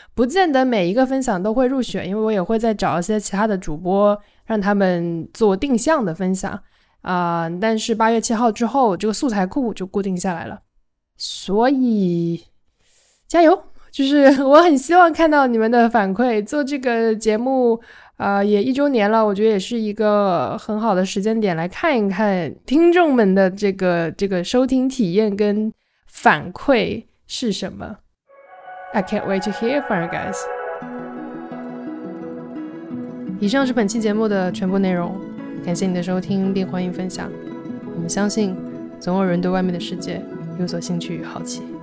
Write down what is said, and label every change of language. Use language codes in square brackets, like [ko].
[zh] 不见得每一个分享都会入选，因为我也会再找一些其他的主播让他们做定向的分享但是8月7号之后这个素材库就固定下来了，所以加油，就是我很希望看到你们的反馈。做这个节目也一周年了，我觉得也是一个很好的时间点来看一看听众们的这个收听体验跟反馈是什么。 [en] I can't wait to hear from you guys。 [zh] 以上是本期节目的全部内容，感谢你的收听并欢迎分享。我们相信总有人对外面的世界有所兴趣与好奇。